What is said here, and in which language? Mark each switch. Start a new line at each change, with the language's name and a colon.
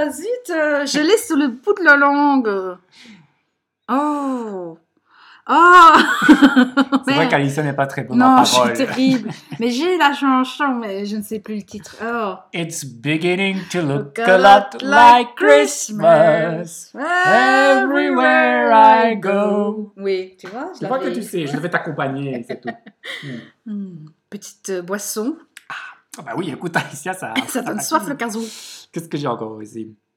French: Zut, je l'ai sous le bout de la langue. Oh. C'est vrai qu'Alice n'est pas très bonne en parole. Non, je suis terrible. Mais j'ai la chanson, mais je ne sais plus le titre. Oh.
English: It's beginning to look a lot like Christmas everywhere I go.
French: Oui, tu vois. Je crois que tu sais, je vais t'accompagner, c'est tout. Petite boisson. Ah, bah oui, écoute, Alicia, ça... ça donne soif le 15 août. Qu'est-ce que j'ai encore ici?